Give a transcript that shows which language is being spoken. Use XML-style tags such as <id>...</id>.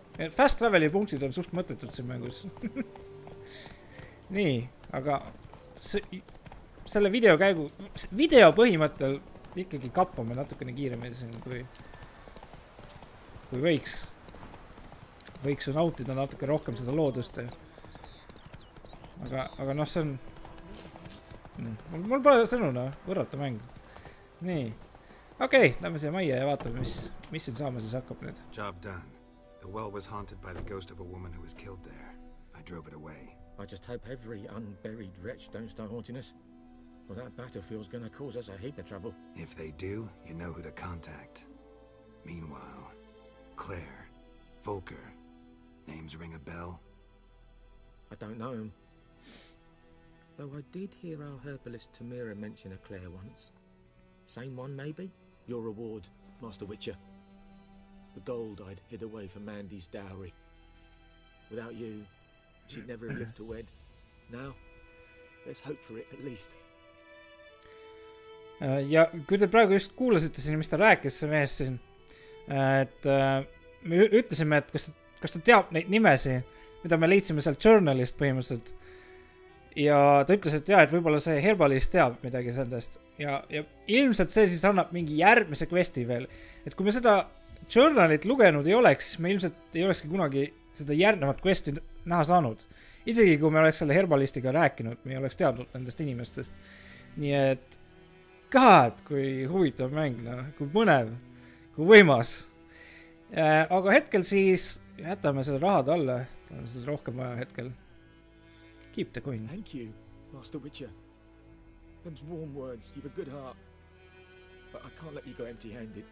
<et>Fast traveli punktid on suht mõtetud siin mängus. Nii, aga selle video käigu, video põhimõttel ikkagi kappame natukene kiiremini siin, kui võiks. Võiks ju nautida natuke rohkem seda loodust. aga noh, see on... Mul pole sõnuna võrrata mängu. Nii. Okei, lähme siia maija ja vaatame, mis siin saama siis hakkab nüüd.</et> <en>Job done. The well was haunted by the ghost of a woman who was killed there. I drove it away. I just hope every unburied wretch don't start haunting us. Well, that battlefield's gonna cause us a heap of trouble. If they do, you know who to contact. Meanwhile, Claire, Volker, names ring a bell? I don't know him. Though I did hear our herbalist Tamira mention a Claire once. Same one, maybe? Your reward, Master Witcher. The gold I'd hid away for Mandy's dowry. Without you, she'd never have lived to wed. Now, let's hope for it at least.</en> <et>Ja kui te praegu just kuulasite siin, mis ta rääkis see mees siin, et me ütlesime, et kas ta teab neid nimesi, mida me leidsime seal journalist põhimõtteliselt. Ja ta ütles, et jah, et võibolla see herbalist teab midagi sellest. Ja ilmselt see siis annab mingi järgmise questi veel. Et kui me seda journalit lugenud ei oleks, siis me ilmselt ei olekski kunagi seda järgnevat questi näha saanud. Isegi kui me oleks selle herbalistiga rääkinud, me ei oleks teadnud nendest inimestest. Nii et... God, kui huvitav mäng, no, kui põnev, kui võimas. Aga hetkel siis jätame selle rahad alle. See on seda rohkem vaja hetkel.</et> <en>Keep the coin. Thank you, Master Witcher. Them's warm words, you've a good heart. But I can't let you go empty-handed.</en>